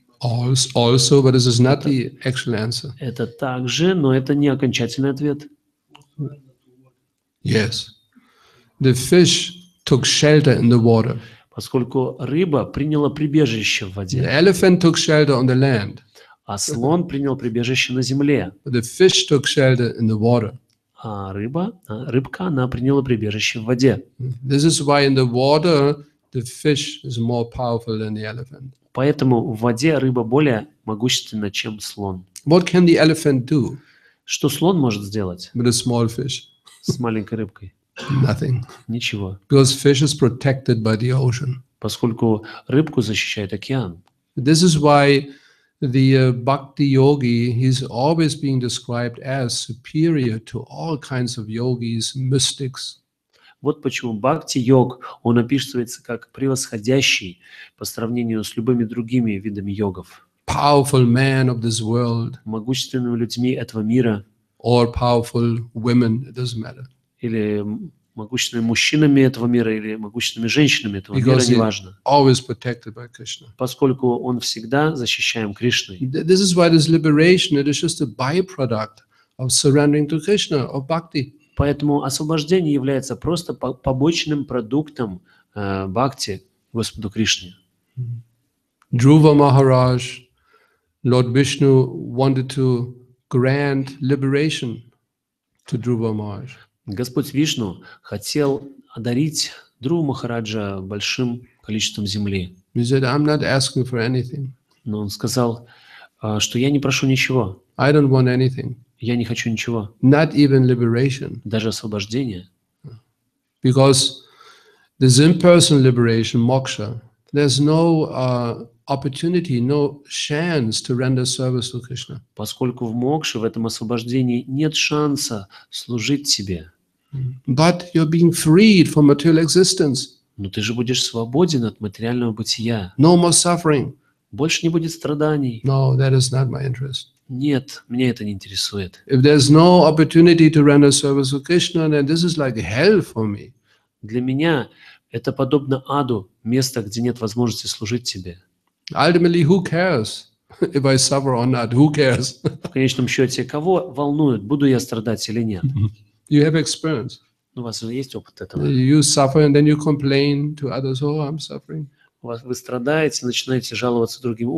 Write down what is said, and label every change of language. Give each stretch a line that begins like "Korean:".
English: Also, but this is not the actual answer.
Russian: Это также, но это не окончательный ответ.
English: Yes. The fish took shelter in the water.
Russian: Поскольку рыба приняла прибежище в воде.
English: The elephant took shelter on the land.
Russian: А слон принял прибежище на земле.
English: The fish took shelter in the water.
Russian: А рыба, рыбка, она приняла прибежище в воде.
English: This is why in the water the fish is more powerful than the elephant.
Russian: Поэтому в воде рыба более могущественна, чем слон.
English: What can the elephant do?
Russian: Что слон может сделать?
English: With a small fish.
Russian: С маленькой рыбкой.
English: Nothing.
Russian: Ничего.
English: Because fish is protected by the ocean.
Russian: Поскольку рыбку защищает океан.
English: This is why the bhakti yogi is always being described as superior to all kinds of yogis, mystics.
Russian: Вот почему бхакти-йог, он описывается как превосходящий по сравнению с любыми другими видами йогов.
English: Powerful man of this world.
Russian: Могущественными людьми этого мира.
English: Or powerful women, it doesn't matter.
Russian: Или могущественными мужчинами этого мира, или могущественными женщинами этого мира, неважно.
English: Always protected by Krishna.
Russian: Поскольку он всегда защищаем Кришной.
English: This is why this liberation, it is just a byproduct of surrendering to Krishna, of bhakti.
Russian: Поэтому освобождение является просто побочным продуктом бхакти Господу Кришне.
English: Dhruva Maharaj, Lord Vishnu wanted to grant liberation to Dhruva Maharaj.
Russian: Господь Вишну хотел одарить Дхруву Махараджа большим количеством земли.
English: He said, I'm not asking for anything.
Russian: Но он сказал, что я не прошу ничего.
English: I don't want anything.
Russian: Я не хочу ничего.
English: Not even liberation.
Russian: Даже освобождение.
English: Because this impersonal liberation, moksha, there's no opportunity, no chance to render service to Krishna.
Russian: Поскольку в мокше, в этом освобождении, нет шанса служить себе.
English: But you're being freed from material existence.
Russian: Но ты же будешь свободен от материального бытия.
English: No more suffering.
Russian: Больше не будет страданий.
English: No, that is not my interest.
Russian: Нет, меня это не интересует.
English: If there's no opportunity to render service to Krishna, then this is like hell for me.
Russian: Для меня это подобно аду, место, где нет возможности служить тебе.
English: Ultimately, who cares if I suffer or not? Who cares?
Russian: В конечном счете, кого волнует, буду я страдать или нет?
English: You have experience.
Russian: У вас есть опыт этого.
English: You suffer and then you complain to others. Oh, I'm suffering.
Russian: У вас вы страдаете, начинаете жаловаться другим.